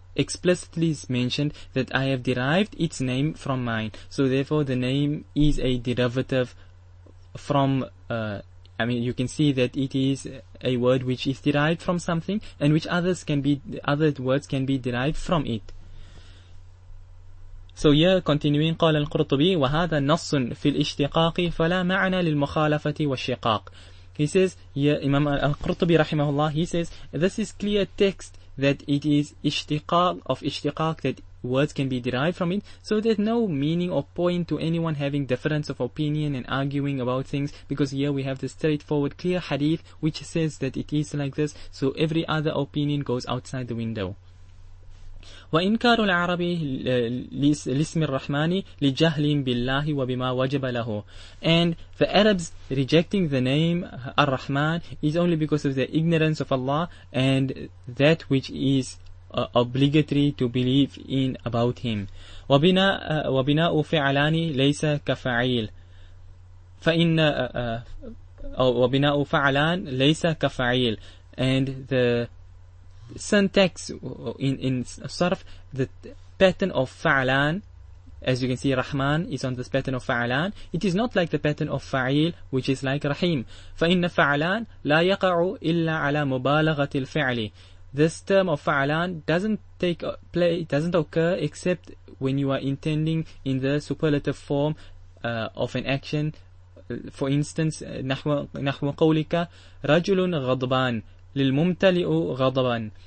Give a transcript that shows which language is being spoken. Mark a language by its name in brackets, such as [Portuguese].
[English] explicitly is mentioned that I have derived its name from mine. So therefore the name is a derivative from, I mean, you can see that it is a word which is derived from something and which others can be, other words can be derived from it. So here, continuing, [Arabic] قال القرطبي وهذا نص في الاشتقاق فلا معنى للمخالفة والشقاق. [English] He says, here, Imam Al-Qurtubi rahimahullah, he says, this is clear text that it is ishtiqaq of ishtiqaq, that words can be derived from it, so there's no meaning or point to anyone having difference of opinion and arguing about things, because here we have the straightforward clear hadith which says that it is like this, so every other opinion goes outside the window. [Arabic] وإنكار العربي لاسم الرحمن لجهل بالله وبما وجب له. [English] And the Arabs rejecting the name Ar-Rahman is only because of their ignorance of Allah and that which is obligatory to believe in about Him. [Arabic] وبناء فعلان ليس كفعيل. فإن وبناء فعلان ليس كفعيل. [English] And the syntax in sarf, the pattern of fa'lan, as you can see, Rahman is on this pattern of fa'lan. It is not like the pattern of fa'il, which is like Rahim. [Arabic] فَإِنَّ فَعْلَان لَا يَقَعُ إِلَّا عَلَى مُبَالَغَةِ الْفِعْلِ. [English] This term of fa'lan doesn't occur except when you are intending in the superlative form of an action. For instance, [Arabic] نحو قولك رجل غضبان للممتلئ غضبا.